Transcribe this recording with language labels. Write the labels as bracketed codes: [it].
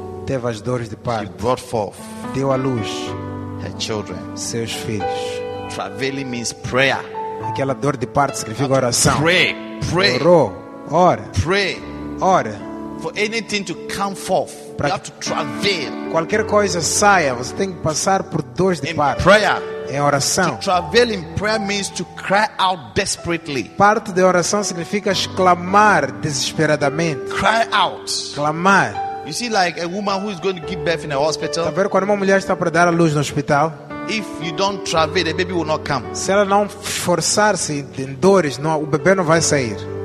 [pt] teve as dores de parto, [en] she brought forth, [pt] deu à luz [en] her children, [pt] seus filhos. [en] Traveling means prayer. [pt] Aquela dor de parto significa oração. [en] Pray, pray, [pt] orou, ora, [en] pray, [pt] ora. [en] For anything to come forth, you have to travel. [pt] Qualquer coisa saia, você tem que passar por dores de parto. [en] In prayer, [pt] em oração. [en] To travel in prayer means to cry out desperately. [pt] Parte de oração significa exclamar desesperadamente. [en] Cry out. [pt] Clamar. [en] You see, like a woman who is going to give birth in a hospital. [pt] Tá vendo quando uma mulher está para dar a luz no hospital? [en] If you don't travel, the baby will not come. [pt] Se ela não forçar-se em dores, não, o bebê não vai sair.